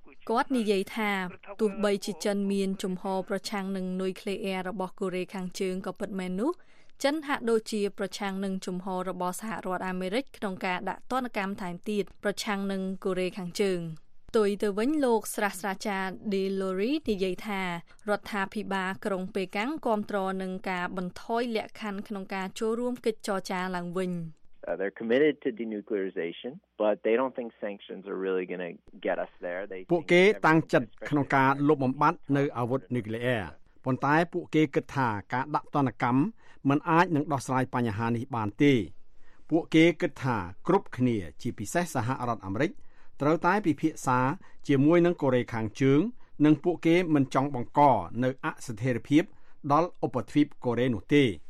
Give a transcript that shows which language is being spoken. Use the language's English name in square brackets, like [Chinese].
[Khmer] គាត់និយាយថាទោះបីជាចិនមានជំហរប្រឆាំងនឹងនុយក្លេអ៊ែររបស់កូរ៉េខាងជើងក៏ពិតមែននោះចិនហាក់ដូចជាប្រឆាំងនឹងជំហររបស់សហរដ្ឋអាមេរិកក្នុងការដាក់ទណ្ឌកម្មថែមទៀតប្រឆាំងនឹងកូរ៉េខាងជើងទុយទៅវិញលោកស្រាសាចារ្យឌីឡូរីនិយាយថារដ្ឋាភិបាលក្រុងប៉េកាំងគ្រប់គ្រងនឹងការបន្ថយលក្ខខណ្ឌក្នុងការចូលរួមកិច្ចចរចាឡើងវិញ [English] They're committed to denuclearization, but they don't think sanctions are really going to get us there. [Khmer] ពួកគេតាំងចិត្តក្នុងការលុបបំបាត់នៅអាវុធនុយក្លេអ៊ែរប៉ុន្តែពួកគេគិតថាការដាក់ទណ្ឌកម្មមិនអាចនឹងដោះស្រាយបញ្ហានេះបានទេពួកគេគិតថាគ្រប់គ្នាជាពិសេសសហរដ្ឋអាមេរិកត្រូវតែពិភាក្សាជាមួយនឹងកូរ៉េខាងជើងនិងពួកគេមិនចង់បង្កនៅអស្ថិរភាពដល់ឧបទ្វីបកូរ៉េនោះទេ